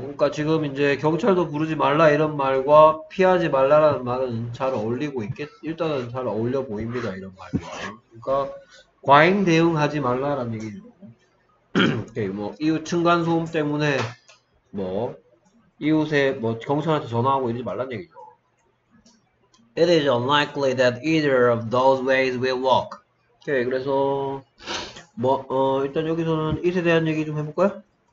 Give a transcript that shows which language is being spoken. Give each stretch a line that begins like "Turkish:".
Korean: 그러니까 지금 이제 경찰도 부르지 말라 이런 말과 피하지 말라라는 말은 잘 어울리고 일단은 잘 어울려 보입니다. 이런 말과. 그러니까 과잉 대응하지 말라라는 얘기죠. 오케이. 뭐 이웃 층간 소음 때문에 뭐 이웃에 뭐 경찰한테 전화하고 이러지 말란 얘기죠.
English: It is unlikely that either of those ways will work.
Korean: 오케이. 그래서 뭐 일단 여기서는 이에 대한 얘기 좀 해볼까요?